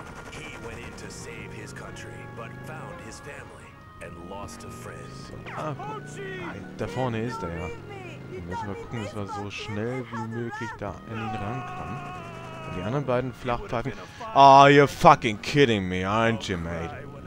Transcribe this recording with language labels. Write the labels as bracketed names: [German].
[English] He went in to save his country, but found his family and lost a friend. [German] So. Ah, da vorne ist er, ja. Dann müssen wir gucken, dass wir so schnell wie möglich da in ihn rankommen. Und die anderen beiden Flachpfeifen. [English] Oh, you're fucking kidding me, aren't you, mate?